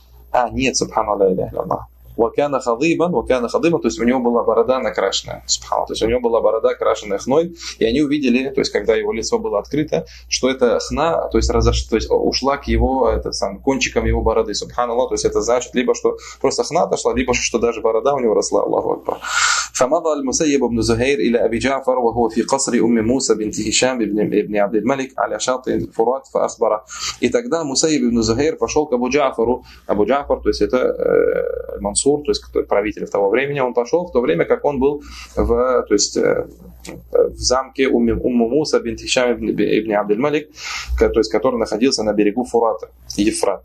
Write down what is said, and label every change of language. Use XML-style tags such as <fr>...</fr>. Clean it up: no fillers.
<ru>А, нет, субханаллах, ля иля илляллах.</ru> <ar>Вакана хадыбан, вакана хадыбан,</ar> <ru>то есть у него была борода накрашенная, субханаллах, то есть у него была борода, крашенная хной, и они увидели, то есть когда его лицо было открыто, что это хна, то есть ушла к его, это сам, кончикам его бороды, субханаллах, то есть это значит, либо что просто хна отошла, либо что даже борода у него росла, Аллаху акбар.</ru> <ar>فمضى المسيب بن زهير إلى أبي جعفر وهو في قصر أم موسى بنت هشام بن عبد الملك على شاطئ الفرات فأخبره.</ar> <ru>И тогда Мусайб ибн Зухейр пошел к Абу Джафару. Абу Джафар, то есть это Мансур, то есть правитель того времени, он пошел в то время, как он был в, то есть, в замке Умму Муса бинт Хишам ибн Абд аль-Малик, то есть который находился на берегу Фурата, Ефрат.</ru>